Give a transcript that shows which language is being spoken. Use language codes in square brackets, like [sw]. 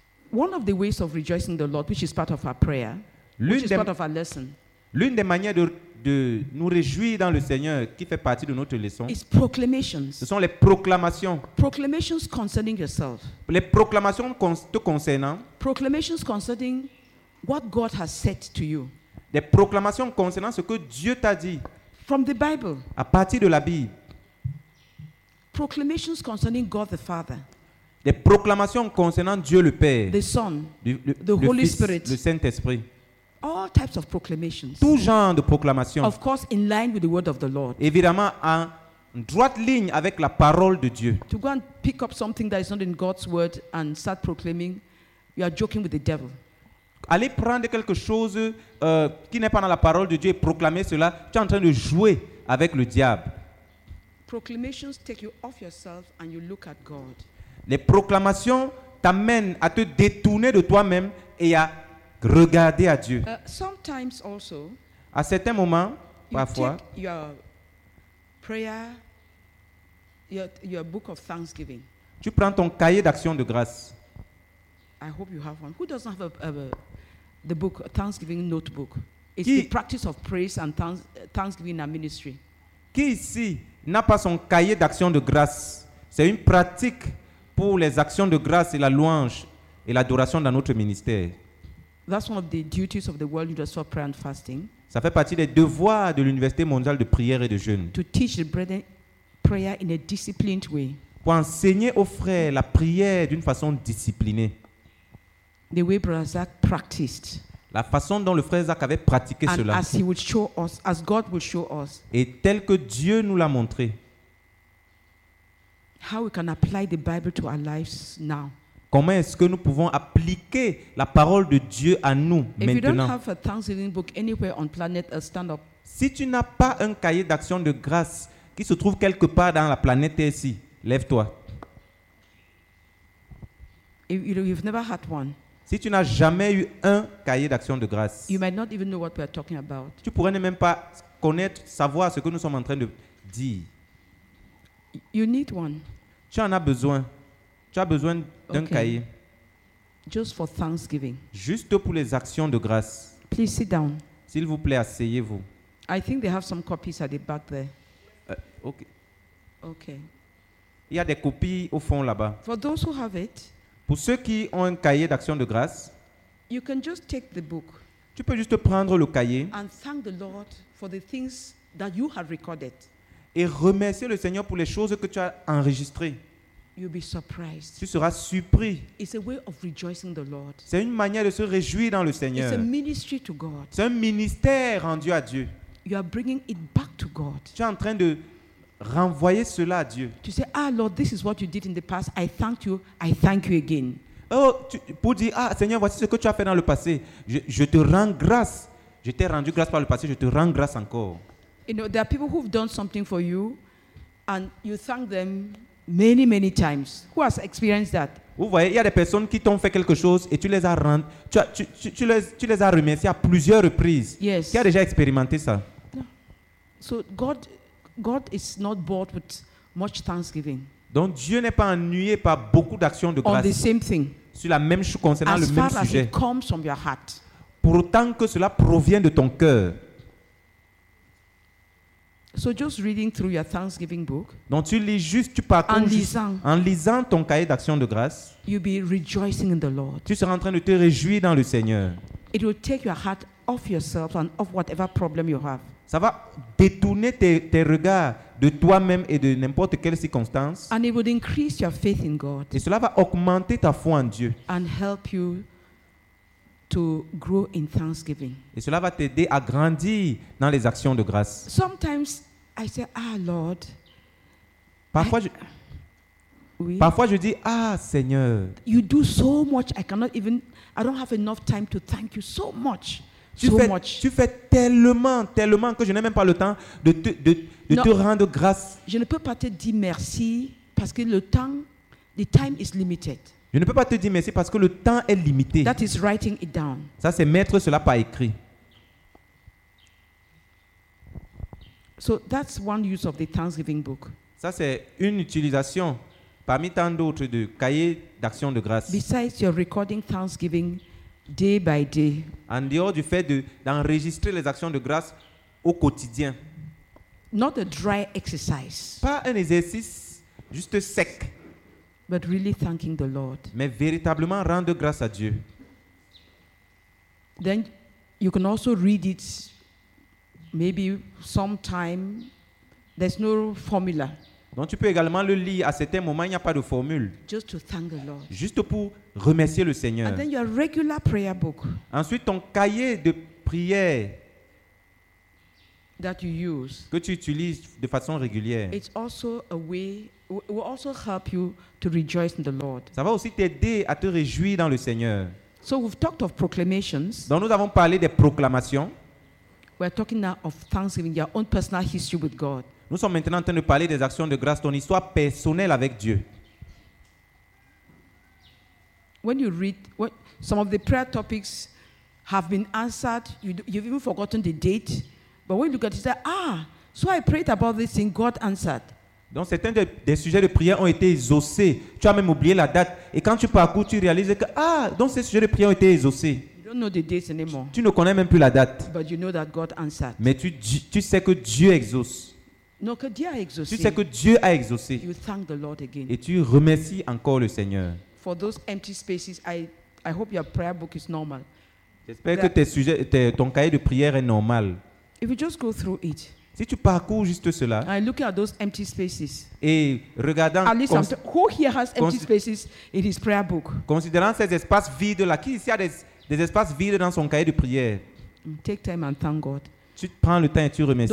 [en] One of the ways of rejoicing the Lord, which is part of our prayer, part of our lesson. [fr] L'une des manières de nous réjouir dans le Seigneur, qui fait partie de notre leçon, [en] is proclamations. [fr] Ce sont les proclamations. [en] Proclamations concerning yourself. [fr] Les proclamations te concernant. [en] Proclamations concerning what God has said to you. [fr] Des proclamations concernant ce que Dieu t'a dit. [en] From the Bible. [fr] À partir de la Bible. [en] Proclamations concerning God the Father. [fr] Des proclamations concernant Dieu le Père, [en] the Son, the Holy Spirit, [fr] le Saint-Esprit. [en] All types of proclamations. [fr] Tout genre de proclamations. [en] Of course, in line with the word of the Lord. [fr] Évidemment, en droite ligne avec la parole de Dieu. [en] To go and pick up something that is not in God's word and start proclaiming, you are joking with the devil. [fr] Aller prendre quelque chose qui n'est pas dans la parole de Dieu et proclamer cela, tu es en train de jouer avec le diable. [en] Proclamations take you off yourself and you look at God. [fr] Les proclamations t'amènent à te détourner de toi-même et à regarder à Dieu. [en] Sometimes also, [fr] à certains moments, parfois, [en] your prayer, your book of thanksgiving. [fr] Tu prends ton cahier d'action de grâce. [en] I hope you have one. Who doesn't have the book, a thanksgiving notebook? It's the practice of praise and thanksgiving in our ministry. [fr] Qui ici n'a pas son cahier d'action de grâce? C'est une pratique pour les actions de grâce et la louange et l'adoration dans notre ministère. [en] That's one of the duties of the World University of Prayer and Fasting. [fr] Ça fait partie des devoirs de l'Université mondiale de prière et de jeûne. [en] To teach the brethren prayer in a disciplined way. [fr] Pour enseigner aux frères la prière d'une façon disciplinée. [en] The way Brother Zach practiced. [fr] La façon dont le frère Zach avait pratiqué [en] and [fr] cela. [en] As he would show us, as God would show us. [fr] Et tel que Dieu nous l'a montré. [en] How we can apply the Bible to our lives now? [fr] Comment est-ce que nous pouvons appliquer la parole de Dieu à nous [en] if [fr] maintenant? [en] If you don't have a Thanksgiving book anywhere on planet Earth, stand up. [fr] Si tu n'as pas un cahier d'action de grâce qui se trouve quelque part dans la planète ici, lève-toi. [en] If you've never had one. [fr] Si tu n'as jamais eu un cahier d'action de grâce, [en] you might not even know what we are talking about. [fr] Tu pourrais ne même pas connaître, savoir ce que nous sommes en train de dire. [en] You need one. [fr] Tu en as besoin. Tu as besoin d'un cahier. [en] Just for thanksgiving. [fr] Juste pour les actions de grâce. [en] Please sit down. [fr] S'il vous plaît, asseyez-vous. [en] I think they have some copies at the back there. Okay. [fr] Il y a des copies au fond là-bas. [en] For those who have it, [fr] pour ceux qui ont un cahier d'action de grâce, [en] you can just take the book. [fr] Tu peux juste prendre le cahier [en] and thank the Lord for the things that you have recorded. [fr] Et remercier le Seigneur pour les choses que tu as enregistrées. [en] You'll be surprised. [fr] Tu seras surpris. [en] It's a way of rejoicing the Lord. [fr] C'est une manière de se réjouir dans le Seigneur. [en] It's a ministry to God. [fr] C'est un ministère rendu à Dieu. [en] You are bringing it back to God. [fr] Tu es en train de renvoyer cela à Dieu. [en] To say, ah Lord, this is what you did in the past. I thank you. I thank you again. [fr] Oh, pour dire, ah Seigneur, voici ce que tu as fait dans le passé. Je te rends grâce. Je t'ai rendu grâce par le passé. Je te rends grâce encore. [en] You know, there are people who've done something for you, and you thank them many, many times. Who has experienced that? [fr] Vous voyez, il y a des personnes qui t'ont fait quelque chose et tu les as rendu, tu les as remercié à plusieurs reprises. [en] Yes. [fr] Qui a déjà expérimenté ça? [en] So God is not bored with much thanksgiving. [fr] Donc Dieu n'est pas ennuyé par beaucoup d'actions de grâce. [en] On the same thing. [fr] Sur la même chose concernant [en] as [fr] le même [en] far [fr] sujet. [en] As it comes from your heart. [fr] Pour autant que cela provient de ton cœur. [en] So just reading through your thanksgiving book. [fr] Donc tu lis juste, tu parcours en lisant, juste, en lisant ton cahier d'action de grâce. [en] You'll be rejoicing in the Lord. [fr] Tu seras en train de te réjouir dans le Seigneur. [en] It will take your heart off yourself and off whatever problem you have. [fr] Ça va détourner tes regards de toi-même et de n'importe quelle circonstance. [en] And it will increase your faith in God. [fr] Et cela va augmenter ta foi en Dieu. [en] And help you to grow in thanksgiving. [fr] Et cela va t'aider à grandir dans les actions de grâce. [en] Sometimes I say, ah Lord. [fr] Parfois je dis, ah Seigneur. [en] You do so much, I don't have enough time to thank you so much. [fr] Tu fais tellement que je n'ai même pas le temps de te rendre grâce. Je ne peux pas te dire merci parce que [en] the time is limited. [fr] Je ne peux pas te dire merci parce que le temps est limité. [en] That is writing it down. [fr] Ça, c'est mettre cela par écrit. [en] So that's one use of the Thanksgiving book. [fr] Ça, c'est une utilisation parmi tant d'autres de cahier d'action de grâce. [en] Besides your recording Thanksgiving day by day. [fr] En dehors du fait d'enregistrer les actions de grâce au quotidien. [en] Not a dry exercise. [fr] Pas un exercice juste sec. [en] But really thanking the Lord. [fr] Mais véritablement rendre grâce à Dieu. [en] Then you can also read it maybe sometime. There's no formula. [fr] Donc tu peux également le lire à certains moments, il n'y a pas de formule. [en] Just to thank the Lord. [fr] Juste pour remercier le Seigneur. [en] And then your regular prayer book. [fr] Ensuite ton cahier de prière [en] that you use. [fr] Que tu utilises de façon régulière. [en] It's also a way will also help you to rejoice in the Lord. [fr] Ça va aussi t'aider à te réjouir dans le Seigneur. [en] So we've talked of proclamations. [fr] Donc nous avons parlé des proclamations. [en] We are talking now of thanksgiving, your own personal history with God. [fr] Nous sommes maintenant en train de parler des actions de grâce, ton histoire personnelle avec Dieu. [en] When you read what some of the prayer topics have been answered, you've even forgotten the date. But when you look at it, you say, ah, so I prayed about this thing, God answered. [fr] Donc certains des sujets de prière ont été exaucés. Tu as même oublié la date. Et quand tu parcours, tu réalises que ah, donc ces sujets de prière ont été exaucés. [en] You don't know the dates anymore. [fr] Tu ne connais même plus la date. [en] But you know that God answered. [fr] Mais tu sais que Dieu exauce. Non, que Dieu a exaucé. Tu sais que Dieu a exaucé. [en] You thank the Lord again. [fr] Et tu remercies encore le Seigneur. [en] For those empty spaces, I hope your prayer book is normal. [fr] J'espère que ton cahier de prière est normal. [en] If you just go through it. [fr] Si tu parcours juste cela. [en] I look at those empty spaces. [fr] Et regardant [en] at least who here has empty spaces in his prayer book. [fr] Considérant ces espaces vides là, qui ici a des espaces vides dans son cahier de prière. [en] Take time and thank God. [fr] Tu prends le temps et tu remercies